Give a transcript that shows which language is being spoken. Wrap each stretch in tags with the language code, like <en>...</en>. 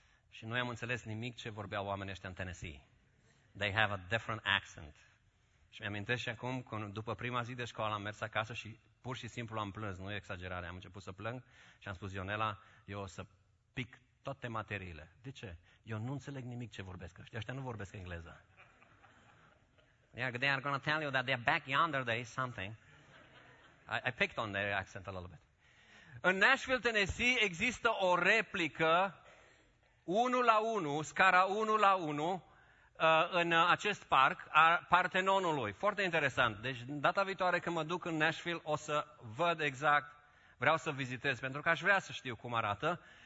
<ro>Și nu am înțeles nimic ce vorbeau oamenii ăștia în Tennessee.</ro> <en>They have a different accent.</en> <ro>Și mi-amintesc și acum, când, după prima zi de școală, am mers acasă și pur și simplu am plâns. Nu e exagerare, am început să plâng și am spus, Ionela, eu o să pic toate materiile. De ce? Eu nu înțeleg nimic ce vorbesc ăștia. Ăștia nu vorbesc engleză.</ro> <en>They are going to tell you that they're back yonder, there is something. I picked on their accent a little bit.</en> <ro>În Nashville, Tennessee, există o replică 1:1, scara 1:1, în acest parc, a Partenonului. Foarte interesant. Deci data viitoare când mă duc în Nashville, o să văd exact, vreau să vizitez, pentru că aș vrea să știu cum arată.</ro>